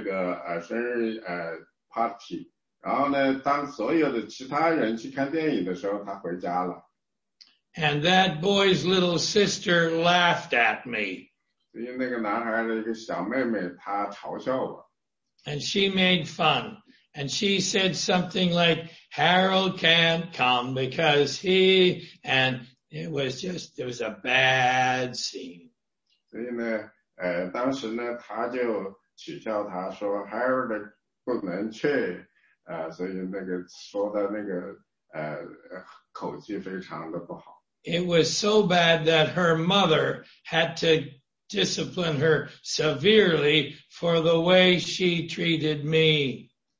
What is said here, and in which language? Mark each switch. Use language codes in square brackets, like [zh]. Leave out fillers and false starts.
[zh] 因为他去参加了那个生日party, 然后呢，当所有的其他人去看电影的时候，他回家了。 [en] And that boy's little sister laughed at me. [zh] 因为那个男孩的一个小妹妹，她嘲笑我。 [en] And she made fun. And she said something like, Harold can't come because he, and it was just, it was a bad scene. [zh] 所以呢，当时呢，他就取笑他说, Harold 不能去，所以那个说的那个口气非常的不好。 [en] It was so bad that her mother had to discipline her severely for the way she treated me.